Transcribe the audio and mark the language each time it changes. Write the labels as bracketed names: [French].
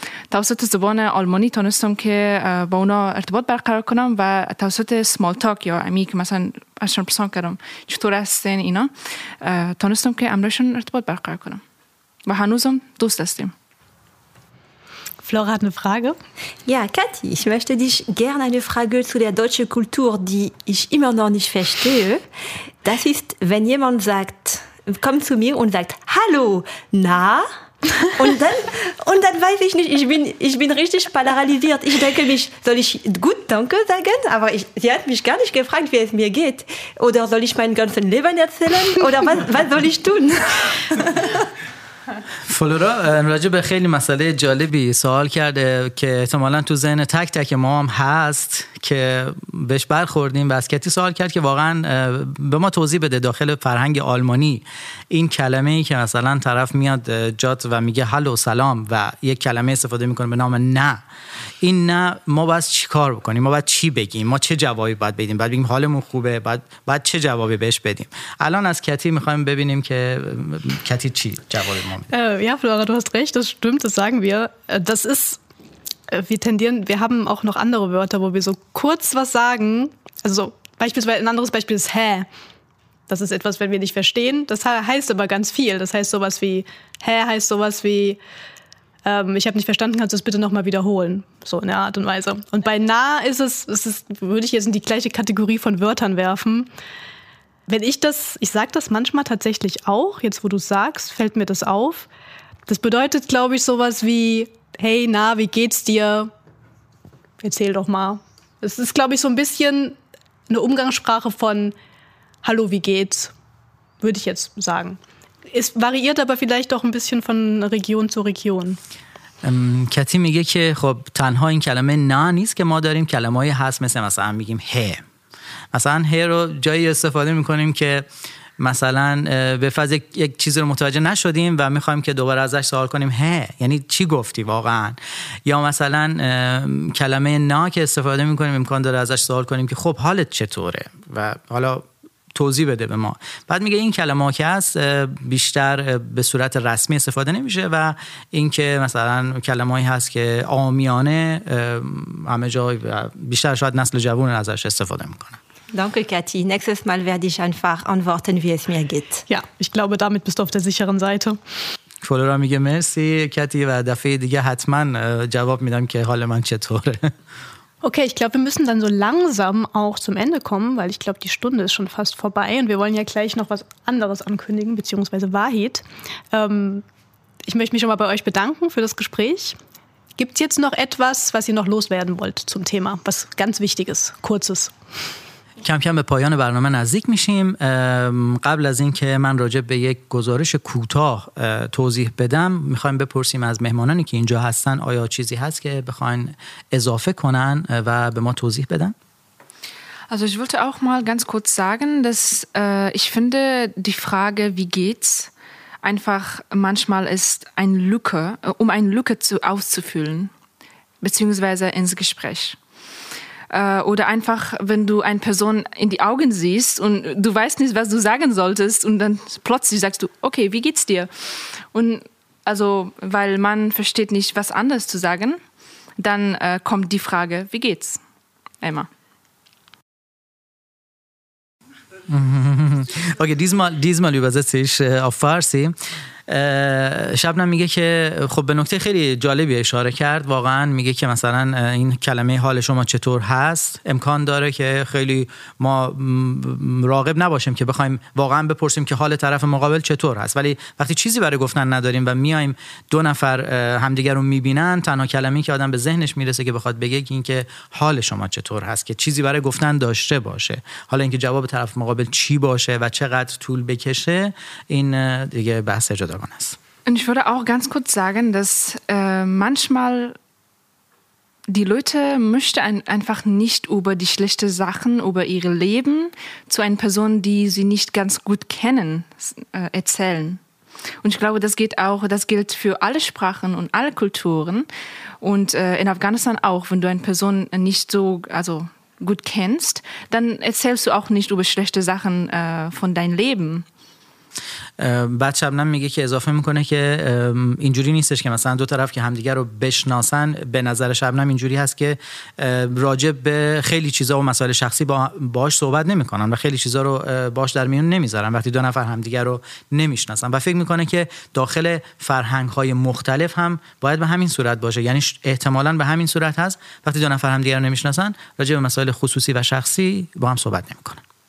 [Persian] توسط زبان آلمانی تانستم که با اونا ارتباط برقرار کنم و توسط سمال تاک یا امی که مثلا ازشون پرسان کردم چطور هستین اینا تانستم که امروشون ارتباط برقرار کنم و هنوزم دوست هستیم. [German] Flora hat eine Frage. Ja, Kathi, ich möchte dich gerne eine Frage zu der deutschen Kultur, die ich immer noch nicht verstehe. Das ist, wenn jemand sagt, kommt zu mir und sagt, hallo, na? Und dann weiß ich nicht, ich bin richtig paralysiert. Ich denke mich, soll ich gut danke sagen? Aber sie hat mich gar nicht gefragt, wie es mir geht. Oder soll ich mein ganzes Leben erzählen? Oder was soll ich tun? [Persian] فلورا راجع به خیلی مسئله جالبی سوال کرده که احتمالا تو ذهن تک تک ما هم هست که بهش برخوردیم و از کتی سوال کرد که واقعا به ما توضیح بده داخل فرهنگ آلمانی این کلمه ای که مثلا طرف میاد جات و میگه هلو سلام و یک کلمه استفاده میکنه به نام نه، این نه ما باید چی کار بکنیم، ما باید چی بگیم، ما چه جوابی باید بدیم، باید بگیم حالمون خوبه، باید چه جوابی بهش بدیم. الان از کتی میخوایم ببینیم که کتی چی جوابی ما میده. [German] Ja, Flora, du hast recht, das stimmt, das sagen wir. Das ist, wir haben auch noch andere Wörter, wo wir so kurz was sagen. Also so, beispielsweise, ein anderes Beispiel ist hä. Das ist etwas, wenn wir nicht verstehen. Das heißt aber ganz viel. Das heißt sowas wie, hä heißt sowas wie, ich habe nicht verstanden, kannst du es bitte nochmal wiederholen. So in der Art und Weise. Und bei na ist es, würde ich jetzt in die gleiche Kategorie von Wörtern werfen. Wenn ich sage das manchmal tatsächlich auch, jetzt wo du es sagst, fällt mir das auf. Das bedeutet, glaube ich, sowas wie, hey, na, wie geht's dir? Erzähl doch mal. Es ist, glaube ich, so ein bisschen eine Umgangssprache von, hallo, wie geht's? Würde ich jetzt sagen. Es variiert aber vielleicht auch ein bisschen von Region zu Region. [Persian] Kati میگه که خب تنها این کلمه نه نیست که ما داریم، کلمه های هست مثل مثلا میگیم هه. مثلا هی رو جایی استفاده میکنیم که مثلا به فرض یک چیز رو متوجه نشدیم و میخوایم که دوباره ازش سوال کنیم هی یعنی چی گفتی واقعا، یا مثلا کلمه نا که استفاده میکنیم امکان داره ازش سوال کنیم که خب حالت چطوره و حالا توضیح بده به ما. بعد میگه این کلمه ها که هست بیشتر به صورت رسمی استفاده نمیشه و این که مثلا کلمه هایی هست که عامیانه همه جای بیشتر شاید نسل جوان ازش استفاده میکنه. [German] Danke, Kathi. Nächstes Mal werde ich einfach antworten, wie es mir geht. Ja, ich glaube, damit bist du auf der sicheren Seite. [Persian] Flora میگه مرسی کتی و دفعه دیگه حتما جواب میدم که حال من چطوره. [German] Okay, ich glaube, wir müssen dann so langsam auch zum Ende kommen, weil ich glaube, die Stunde ist schon fast vorbei und wir wollen ja gleich noch was anderes ankündigen, beziehungsweise Wahid. Ich möchte mich schon mal bei euch bedanken für das Gespräch. Gibt es jetzt noch etwas, was ihr noch loswerden wollt zum Thema? Was ganz Wichtiges, Kurzes. [Persian] کم کم به پایان برنامه نزدیک میشیم. قبل از این که من راجع به یک گزارش کوتاه توضیح بدم، میخوایم بپرسیم از مهمانانی که اینجا هستن آیا چیزی هست که بخواین اضافه کنن و به ما توضیح بدن. [German] Also ich wollte auch mal ganz kurz sagen, dass ich finde die Frage wie geht's einfach manchmal ist ein Lücke, um eine Lücke auszufüllen beziehungsweise ins Gespräch. Oder einfach, wenn du eine Person in die Augen siehst und du weißt nicht, was du sagen solltest und dann plötzlich sagst du, okay, wie geht's dir? Und also, weil man versteht nicht, was anderes zu sagen, dann kommt die Frage, wie geht's, Emma? Okay, diesmal übersetze ich auf Farsi. [Persian] شبنم میگه که خب به نکته خیلی جالبی اشاره کرد، واقعا میگه که مثلا این کلمه حال شما چطور هست، امکان داره که خیلی ما راغب نباشیم که بخوایم واقعا بپرسیم که حال طرف مقابل چطور هست، ولی وقتی چیزی برای گفتن نداریم و میایم دو نفر همدیگر رو میبینن، تنها کلمه‌ای که آدم به ذهنش میرسه که بخواد بگه این که حال شما چطور هست، که چیزی برای گفتن داشته باشه، حالا اینکه جواب طرف مقابل چی باشه و چقدر طول بکشه این دیگه بحث جداگانه است. [German] Und ich würde auch ganz kurz sagen, dass manchmal die Leute möchte einfach nicht über die schlechte Sachen, über ihre Leben zu einer Person, die sie nicht ganz gut kennen, erzählen. Und ich glaube, das gilt für alle Sprachen und alle Kulturen. Und in Afghanistan auch, wenn du eine Person nicht so also gut kennst, dann erzählst du auch nicht über schlechte Sachen von deinem Leben. [Persian] بعد شبنم میگه که اضافه میکنه که اینجوری نیستش که مثلا دو طرف که همدیگر رو بشناسن، به نظر شبنم اینجوری هست که راجع به خیلی چیزا و مسائل شخصی باهاش صحبت نمیکنن و خیلی چیزا رو باهاش در میون نمیذارن وقتی دو نفر همدیگر رو نمیشناسن، و فکر میکنه که داخل فرهنگهای مختلف هم باید به همین صورت باشه، یعنی احتمالاً به همین صورت هست، وقتی دو نفر همدیگر رو نمیشناسن راجع به مسائل خصوصی و شخصی با هم صحبت نمیکنن.